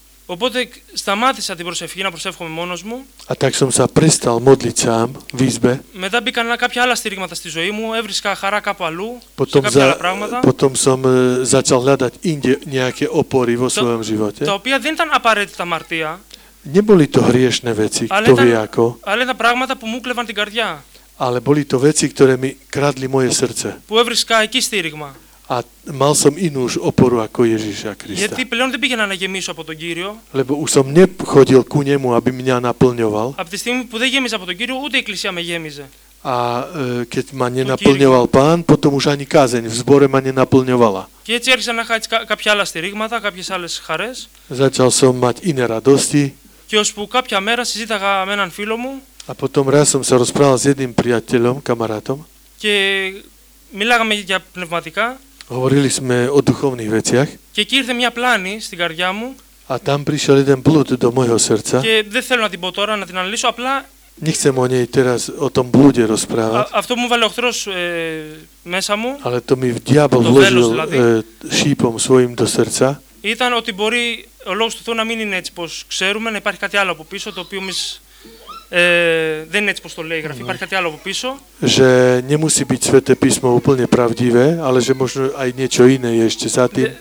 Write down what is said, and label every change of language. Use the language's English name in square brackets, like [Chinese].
[Greek] Οπότε σταμάτησα την προσευχή να προσεύχομαι μόνος μου. [Slovak] A tak som sa prestal modliť sám v izbe. [Greek] Μετά μπήκαν κάποια άλλα στηρίγματα στη ζωή μου, έβρισκα χαρά κάπου αλλού, [Slovak] potom [Greek] σε κάποια άλλα πράγματα. [Slovak] Potom som začal hľadať inde nejaké opory vo svojom živote. [Greek] Τα οποία δεν ήταν απαραίτητα αμαρτία. [Slovak] Neboli to hriešne veci, kto vie ako. [Greek] Ale ήταν πράγματα που μου κλέβαν την καρδιά. [Slovak] Ale boli to veci, ktoré mi kradli moje srdce. [Greek] Που έβρισκα εκεί στήριγμα. [Slovak] A mal som inú už oporu ako Ježíša Krista. [Greek] Γιατί πλέον δεν πήγαινα να γεμίσω από τον Κύριο. [Slovak] Lebo už som nechodil ku nemu, aby mňa naplňoval. [Greek] Από τη στιγμή που δεν γέμιζα από τον Κύριο, ούτε η εκκλησία με γέμιζε. [Slovak] A keď ma nenaplňoval Pán, potom už ani kázeň v zbore ma nenaplňovala. [Greek] Και έτσι άρχισα να χάσω κάποια άλλα στηρίγματα, κάποιες άλλες χαρές. [Slovak] Začal som mať iné radosti. [Greek] Και ώσπου κάποια μέρα συζήταγα με έναν φίλο μου. [Slovak] A potom raz som sa rozprával s jedným priateľom, kamarátom. [Greek] Και μιλάγαμε για πνευματικά. [Slovak] Hovorili sme o duchovných veciach. [Greek] Και εκεί ήρθε μια πλάνη στην καρδιά μου. [Slovak] A tam prišiel jeden blúd do mojho srdca. [Greek] Και δεν θέλω να την πω τώρα, να την αναλύσω, απλά [Slovak] nechcem o nej teraz o tom blúde rozprávať. [Greek] Αυτό μου βάλε ο χθρός μέσα μου. [Slovak] Ale to mi diabol vložil šípom svojim do srdca. [Greek] Ήταν ότι μπορεί ο λόγος του Θεού να μην είναι έτσι πως ξέρουμε, να υπάρχει κάτι άλλο από πίσω, το οποίο εμείς δεν είναι έτσι πως το λέει η γραφή, υπάρχει κάτι άλλο από πίσω. [Slovak] Že nemusí byť Sväté písmo úplne pravdivé, ale že možno aj niečo iné je ešte za tým.